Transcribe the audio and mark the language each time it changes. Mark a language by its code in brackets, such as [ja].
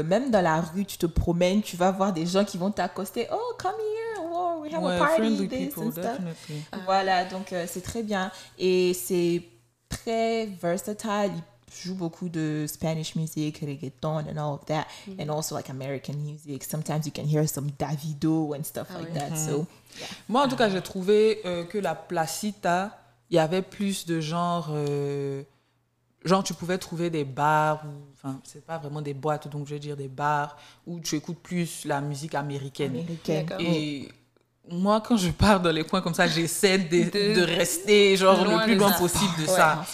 [fr] où même dans la rue, tu te promènes, tu vas voir des gens qui vont t'accoster. [en] Oh, come here. Wow, we have a party, this people, and stuff. [fr] Voilà, donc c'est très bien. Et c'est très versatile. Il joue beaucoup de [en] Spanish music, reggaeton, and all of that. Mm-hmm. And also like American music. Sometimes you can hear some Davido and stuff that. Mm-hmm. So, yeah. [fr] Moi, en tout cas, j'ai trouvé que la Placita, il y avait plus de genre... Genre, tu pouvais trouver des bars, enfin, c'est pas vraiment des boîtes, donc je vais dire des bars où tu écoutes plus la musique américaine. Et moi, quand je pars dans les coins comme ça, j'essaie de rester genre le plus loin possible de ça.